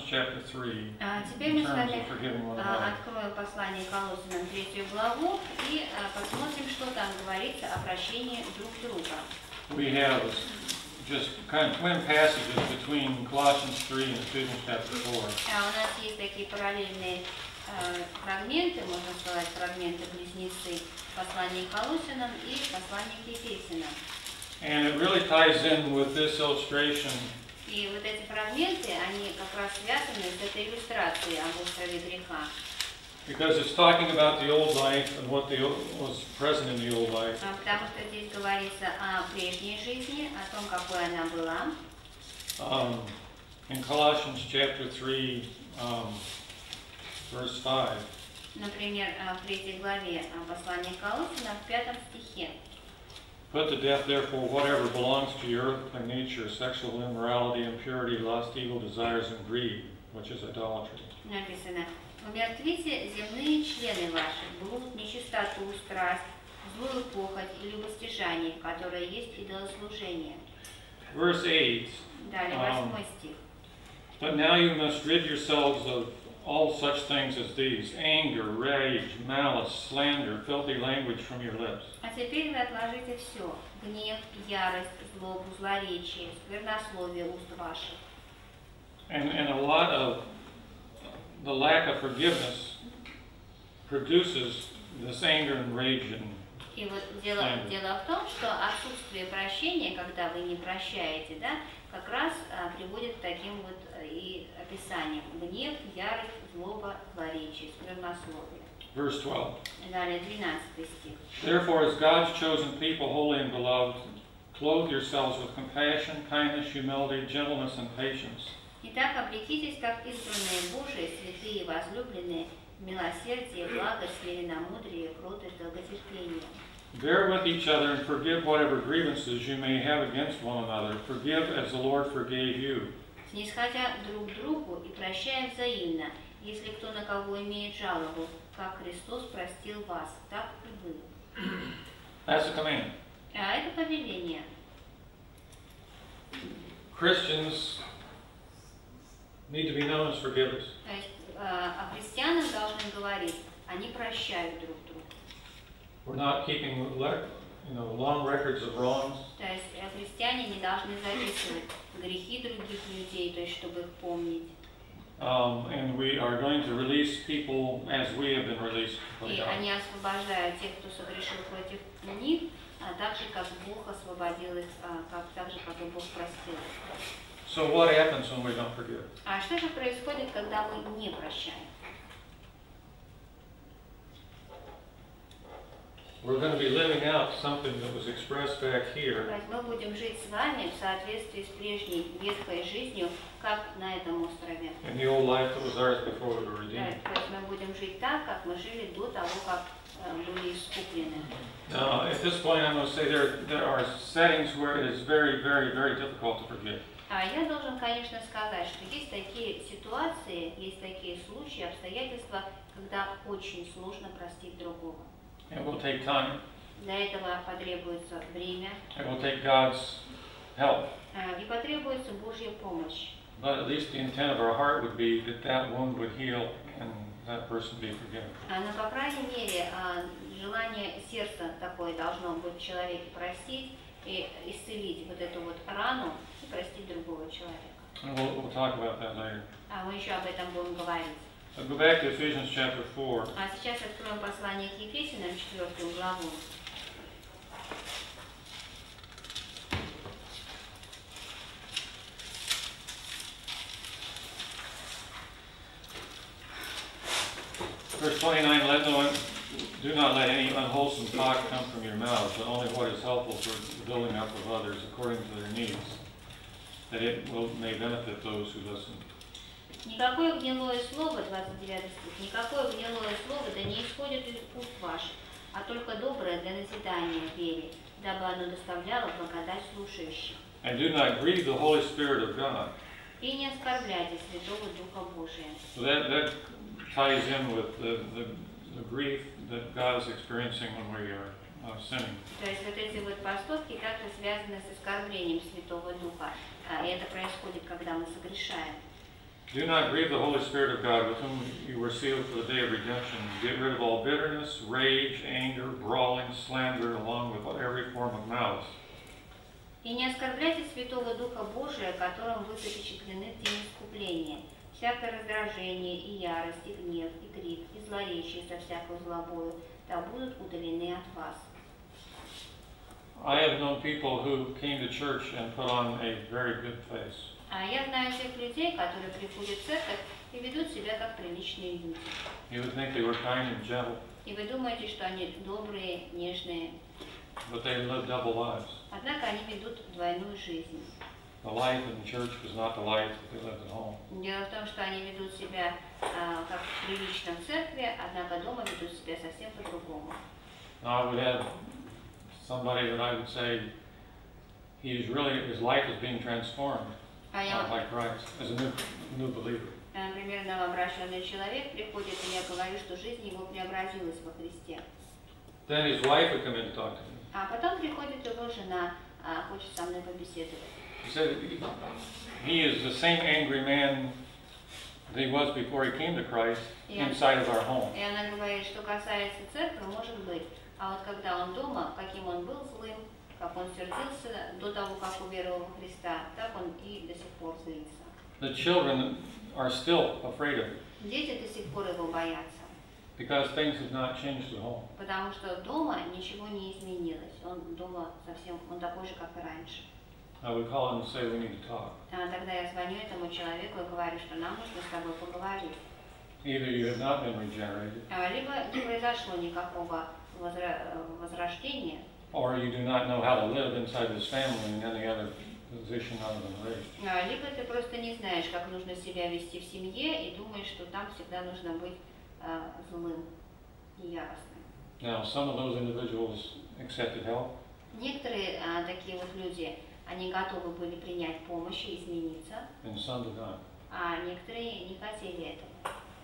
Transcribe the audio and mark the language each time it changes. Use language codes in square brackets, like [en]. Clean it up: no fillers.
[ru] Теперь мы с вами откроем послание Колоссянам 3 главу и посмотрим, что там говорится о прощении друг друга. [en] We have just kind of twin passages between Colossians 3 and Ephesians chapter 4. [ru] У нас есть такие параллельные фрагменты, можно сказать, фрагменты близнецы послания Колоссянам и послания к Ефесянам. [en] And it really ties in with this illustration. [ru] И вот эти фрагменты, они как раз связаны с этой иллюстрацией об острове греха. [en] Because it's talking about the old life and what was present in the old life. [ru] Потому что здесь говорится о прежней жизни, о том, какой она была. [en] In Colossians chapter 3, verse 5. [ru] Например, в 3 главе послания к Колоссянам, в 5 стихе. [en] Put to death, therefore, whatever belongs to your earthly nature, sexual immorality, impurity, lust, evil desires, and greed, which is idolatry. [ru] Написано, умертвите земные члены ваши, блуд, нечистоту, страсть, злую похоть и любостяжание, которое есть идолослужение. [en] Verse 8. [ru] Далее, 8 стих. [en] But now you must rid yourselves of all such things as these, anger, rage, malice, slander, filthy language from your lips. [ru] А теперь вы отложите все, гнев, ярость, злобу, злоречие, сквернословие уст ваших. [en] And a lot of the lack of forgiveness produces this anger and rage and [ru] И вот дело в том, что отсутствие прощения, когда вы не прощаете, да, как раз приводит к таким вот и описаниям. Гнев, ярость, злоба, злоречие, сквернословие. [en] Verse 12. [ru] Далее, 12 стих. [en] Therefore, as God's chosen people, holy and beloved, clothe yourselves with compassion, kindness, humility, gentleness, and patience. [ru] Итак, облекитесь, как избранные Божии, святые и возлюбленные, милосердие, благость, веренамудрие, кротость, долготерпение. [en] Bear with each other and forgive whatever grievances you may have against one another. Forgive as the Lord forgave you. [ru] Снисходя друг другу и прощая взаимно, если кто на кого имеет жалобу, как Христос простил вас, так и вы. [en] That's a command. [ru] А это повеление. [en] Christians need to be known as forgivers. [ru] А христианам должны говорить, они прощают друг друга. [en] We're not keeping, you know, long records of wrongs. [ru] То есть христиане не должны записывать грехи других людей, то есть чтобы их помнить. [en] And we are going to release people as we have been released. [ru] И они освобождают тех, кто согрешил против них, а также как Бог освободил их, как также как Бог простил. [en] So what happens when we don't forgive? [ru] А что же происходит, когда мы не прощаем? [en] We're going to be living out something that was expressed back here. [ru] Мы будем жить с вами в соответствии с прежней ветхой жизнью, как на этом острове. [en] And the old life that was ours before we were redeemed. [ru] Мы будем жить так, как мы жили до того, как были искуплены. [en] Now, at this point, I'm going to say there are settings where it is very, very, very difficult to forgive. [ru] А я должен, конечно, сказать, что есть такие ситуации, есть такие случаи, обстоятельства, когда очень сложно простить другого. [en] It will take time. [ru] Для этого потребуется время. [en] It will take God's help. [ru] И потребуется Божья помощь. [en] But at least the intent of our heart would be that wound would heal and that person be forgiven. [ru] Но, по крайней мере, желание сердца такое должно быть человеке простить и исцелить вот эту вот рану и простить другого человека. [en] We'll talk about that later. [ru] А мы еще об этом будем говорить. [en] So go back to Ephesians chapter 4. [ru] А сейчас откроем послание к Ефесянам, 4 главу. [en] Verse 29, do not let any unwholesome talk come from your mouth, but only what is helpful for the building up of others according to their needs, that it may benefit those who listen. [ru] Никакое гнилое слово, 29 стих, никакое гнилое слово да не исходит из уст ваших, а только доброе для назидания вере, дабы оно доставляло благодать слушающим. [en] And do not grieve the Holy Spirit of God. [ru] И не оскорбляйте Святого Духа Божия. [en] So that ties in with the grief that God is experiencing when we are sinning. [ru] То есть вот эти вот поступки как-то связаны с оскорблением Святого Духа. И это происходит, когда мы согрешаем. [en] Do not grieve the Holy Spirit of God, with whom you were sealed for the day of redemption. Get rid of all bitterness, rage, anger, brawling, slander, along with every form of malice. [ru] И не оскорбляйте Святого Духа Божия, которым вы запечатлены в день искупления. Всякое раздражение и ярость, и гнев, и крик, и злоречие со всякой злобою, да будут удалены от вас. [en] I have known people who came to church and put on a very good face. [ru] А я знаю тех людей, которые приходят в церковь и ведут себя как приличные люди. [en] You would think they were kind and gentle. [ru] И вы думаете, что они добрые, нежные. [en] But they live double lives. [ru] Однако они ведут двойную жизнь. [en] The life in the church was not the life that they lived at home. [ru] Дело в том, что они ведут себя как прилично в церкви, однако дома ведут себя совсем по-другому. [en] Now I would have somebody that I would say he's really his life is being transformed. Like Christ, as a new believer. [ru] Например, новообращенный человек приходит, и я говорю, что жизнь его преобразилась во Христе. [en] Then his wife would come in to talk to him. [ru] А потом приходит его жена, хочет со мной побеседовать. [en] He said he is the same angry man that he was before he came to Christ inside of our home. [ru] И она говорит, что касается церкви, может быть, а вот когда он дома, каким он был злым, как он сердился до того, как уверовал в Христа, так он и до сих пор злится. [en] The children are still afraid of him. [ru] Дети до сих пор его боятся. [en] Because things have not changed at home. [ru] Потому что дома ничего не изменилось. Он дома совсем, он такой же, как и раньше. [en] I would call him and say we need to talk. [ru] Тогда я звоню этому человеку и говорю, что нам нужно с тобой поговорить. [en] Either you have not been regenerated. [ru] Либо не произошло никакого возрождения. [en] Or you do not know how to live inside this family in any other position other than race. [ru] Либо ты просто не знаешь, как нужно себя вести в семье и думаешь, что там всегда нужно быть злым и яростным. [en] Now some of those individuals accepted help. [ru] Некоторые такие вот люди. Они готовы были принять помощь и измениться. [en] And some did not. [ru] А некоторые не хотели этого.